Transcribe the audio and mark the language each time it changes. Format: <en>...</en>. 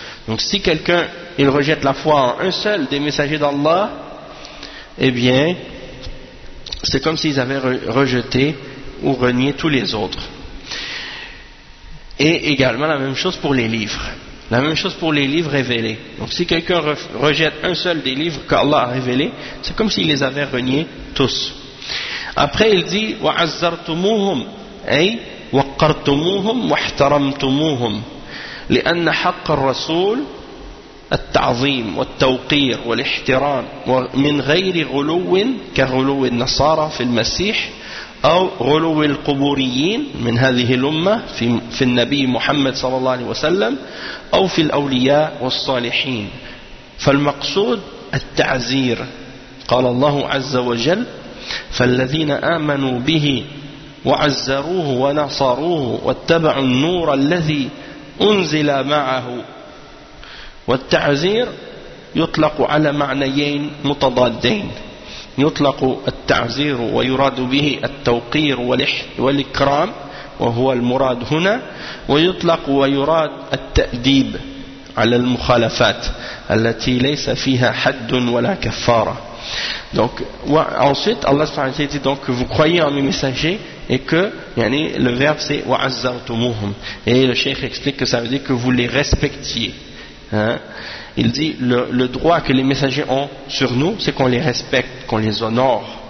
<fr>Donc si quelqu'un il rejette la foi en un seul des messagers d'Allah, eh bien c'est comme s'ils avaient rejeté ou renié tous les autres. Et également la même chose pour les livres. La même chose pour les livres révélés. Donc si quelqu'un rejette un seul des livres qu'Allah a révélés, c'est comme s'il les avait reniés tous. Après il dit</fr> <ar>« وَعَزَّرْتُمُوهُمْ أي وَقَّرْتُمُوهُمْ وَاحْتَرَمْتُمُوهُمْ لِأَنَّ حَقَّ الرَّسُولِ التَّعْظِيمُ وَالتَّوْقِيرُ وَالِحْتِرَامُ وَمِنْ غَيْرِ غُلُوٍّ كَغُلُوِ النَّصَارَى فِي الْمَسِيحِ أو غلو القبوريين من هذه الأمة في النبي محمد صلى الله عليه وسلم أو في الأولياء والصالحين. فالمقصود التعزير قال الله عز وجل فالذين آمنوا به وعزروه ونصروه واتبعوا النور الذي أنزل معه. والتعزير يطلق على معنيين متضادين، يطلق التعزير ويراد به التوقير والإكرام وهو المراد هنا، ويطلق ويراد التأديب على المخالفات التي ليس فيها حد ولا كفارة.</ar> <fr>Donc, ensuite, Allah subhanahu wa ta'ala dit donc que vous croyez en mes messagers et que, yani, le verbe c'est wa'azzartumuhum. Et le cheikh explique que ça veut dire que vous les respectiez. Hein? Il dit le droit que les messagers ont sur nous, c'est qu'on les respecte, qu'on les honore.</fr>